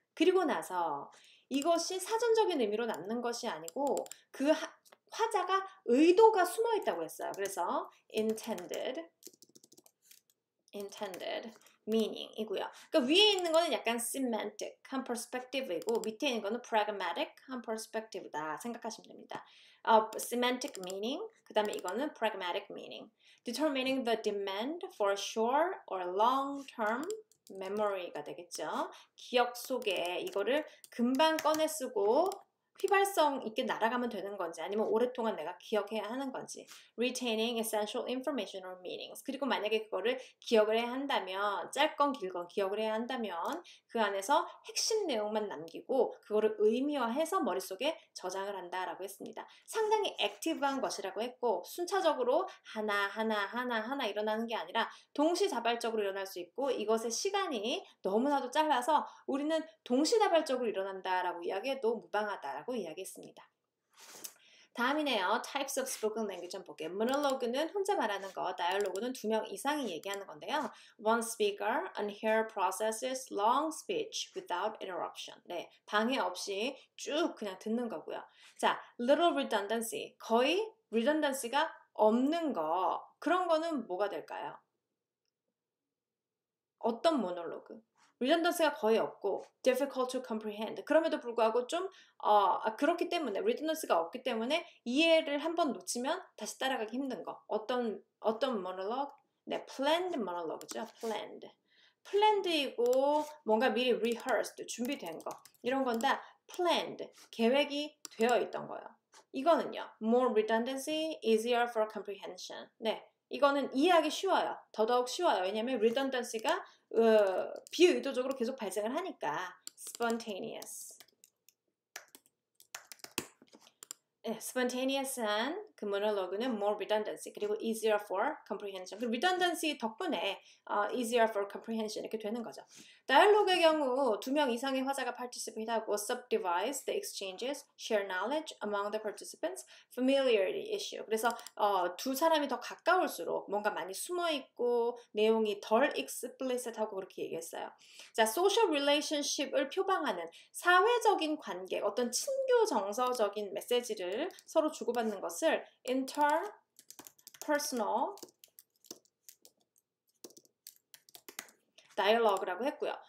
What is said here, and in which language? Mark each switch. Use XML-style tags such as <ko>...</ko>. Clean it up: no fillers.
<ko>그리고 나서 이것이 사전적인 의미로 남는 것이 아니고 그 화자가 의도가 숨어 있다고 했어요. 그래서 intended. meaning이고요. 그러니까 위에 있는 거는 약간 semantic한 perspective이고 밑에 있는 거는 pragmatic한 perspective다 생각하시면 됩니다.</ko> <en>Semantic meaning, 그 다음에 이거는 pragmatic meaning. Determining the demand for short or long-term memory가 되겠죠.</en> <ko>기억 속에 이거를 금방 꺼내 쓰고 휘발성 있게 날아가면 되는 건지 아니면 오랫동안 내가 기억해야 하는 건지</ko> <en>Retaining essential information or meanings</en> <ko>그리고 만약에 그거를 기억을 해야 한다면 짧건 길건 기억을 해야 한다면 그 안에서 핵심 내용만 남기고 그거를 의미화해서 머릿속에 저장을 한다라고 했습니다. 상당히 액티브한 것이라고 했고 순차적으로 하나하나 일어나는 게 아니라 동시다발적으로 일어날 수 있고 이것의 시간이 너무나도 짧아서 우리는 동시다발적으로 일어난다라고 이야기해도 무방하다 라고 이야기했습니다. 다음이네요.</ko> <en>Types of spoken language 좀 볼게요.</en> <ko>Monologue는 혼자 말하는 거, dialogue는 두 명 이상이 얘기하는 건데요.</ko> <en>One speaker and here processes long speech without interruption.</en> <ko>네, 방해 없이 쭉 그냥 듣는 거고요. 자,</ko> <en>little redundancy.</en> <ko>거의 redundancy가 없는 거. 그런 거는 뭐가 될까요? 어떤 monologue? Redundancy가 거의 없고</ko> <en>difficult to comprehend.</en> <ko>그럼에도 불구하고 좀 그렇기 때문에 Redundancy가 없기 때문에 이해를 한번 놓치면 다시 따라가기 힘든 거. 어떤 monologue? 네, planned monologue죠. Planned. Planned이고 뭔가 미리 rehearsed, 준비된 거. 이런 건 다 planned, 계획이 되어 있던 거예요.</ko> <en>이거는요. More redundancy, easier for comprehension. 네.</en> <ko>이거는 이해하기 쉬워요. 더더욱 쉬워요. 왜냐하면 redundancy가 비의도적으로 계속 발생을 하니까 spontaneous. 네, spontaneous한 그 monologue는</ko> <en>more redundancy</en> <ko>그리고</ko> <en>easier for comprehension.</en> <ko>그 redundancy 덕분에</ko> <en>easier for comprehension</en> <ko>이렇게 되는 거죠. Dialogue의 경우 두 명 이상의 화자가</ko> <en>participate하고 subdivide the exchanges, share knowledge among the participants, familiarity issue.</en> <ko>그래서 두 사람이 더 가까울수록 뭔가 많이 숨어 있고 내용이 덜 explicit하고 그렇게 얘기했어요. 자, social relationship을 표방하는 사회적인 관계, 어떤 친교 정서적인 메시지를 서로 주고받는 것을 interpersonal dialogue라고 했고요.</ko>